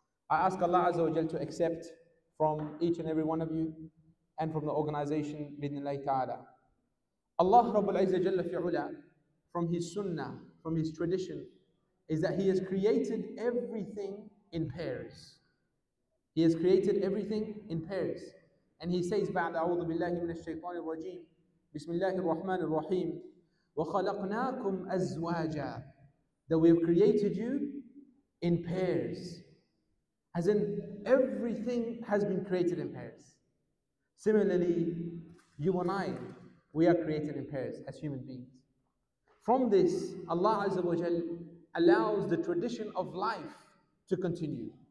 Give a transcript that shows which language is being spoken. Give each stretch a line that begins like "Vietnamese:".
English: I ask Allah Azza wa Jal to accept from each and every one of you, and from the organization, bi'idhnillahi ta'ala. Allah Rabbul Azza Jalla fi'ula, from His sunnah, from His tradition, is that He has created everything in pairs. He has created everything in pairs. And he says,
Arabic: بعد أعوذ بالله من الشيطان الرجيم بسم الله الرحمن الرحيم وخلقناكم أزواجا,
English: that we have created you in pairs. As in, everything has been created in pairs. Similarly, you and I, we are created in pairs as human beings. From this, Allah Azza wa Jal allows the tradition of life to continue.